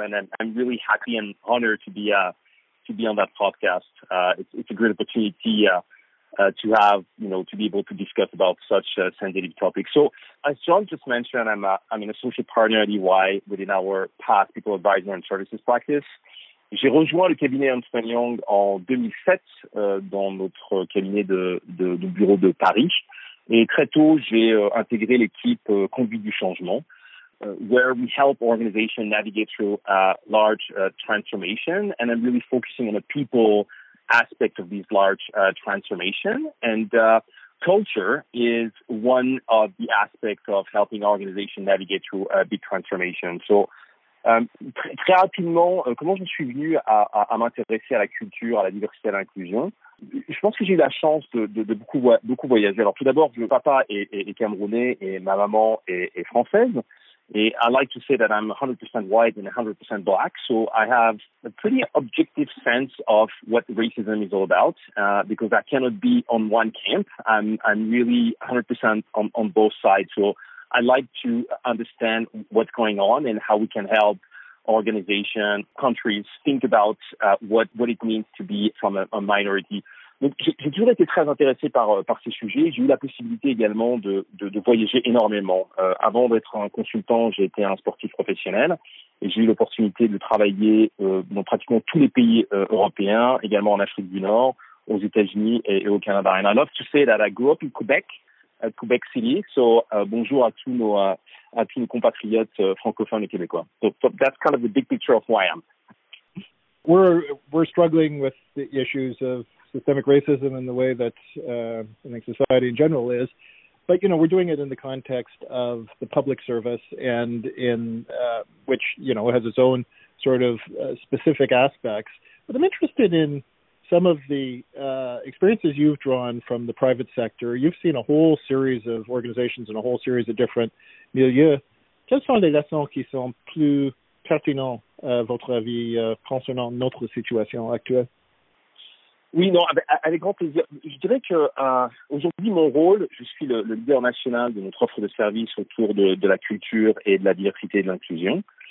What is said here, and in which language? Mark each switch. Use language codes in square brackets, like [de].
[en] And I'm really happy and honored to be on that podcast. It's a great opportunity to be able to discuss about such a sensitive topic. So as John just mentioned, I'm an associate partner at EY within our PAS, People Advisory and Services Practice. [fr] J'ai rejoint le cabinet Ernst & Young en 2007 dans notre cabinet de bureau de Paris. Et très tôt, j'ai intégré l'équipe Conduite du Changement, [en] where we help organizations navigate through a large transformation. And I'm really focusing on the people aspect of this large transformation. And culture is one of the aspects of helping organizations navigate through a big transformation. [fr] So très rapidement, comment je suis venu à m'intéresser à la culture, à la diversité, à l'inclusion? Je pense que j'ai eu la chance de beaucoup voyager. Alors tout d'abord, mon papa est camerounais et ma maman est française. [en] Et I like to say that I'm 100% white and 100% black. So I have a pretty objective sense of what racism is all about because I cannot be on one camp. I'm really 100% on both sides. So I like to understand what's going on and how we can help organization, countries, think about what it means to be from a minority. [fr] Donc, j'ai toujours été très intéressé par ces sujets. J'ai eu la possibilité également de voyager énormément. Avant d'être un consultant, j'ai été un sportif professionnel et j'ai eu l'opportunité de travailler dans pratiquement tous les pays européens, également en Afrique du Nord, aux États-Unis et au Canada. [en] And I love to say that I grew up in Quebec, at Quebec City. [fr] So bonjour à tous nos compatriotes francophones et québécois. [en] So that's kind of the big picture of who I am. We're struggling with the issues of systemic racism and the way that I think society in general is. But, you know, we're doing it in the context of the public service and in which, you know, has its own sort of specific aspects. But I'm interested in some of the experiences you've drawn from the private sector. You've seen a whole series of organizations and a whole series of different milieux. [fr] Quelles sont les leçons qui sont plus pertinentes, à votre avis, concernant notre situation actuelle? Oui, non, avec grand plaisir. Je dirais que aujourd'hui, mon rôle, je suis le leader national de notre offre de services autour de la culture et de la diversité et de l'inclusion.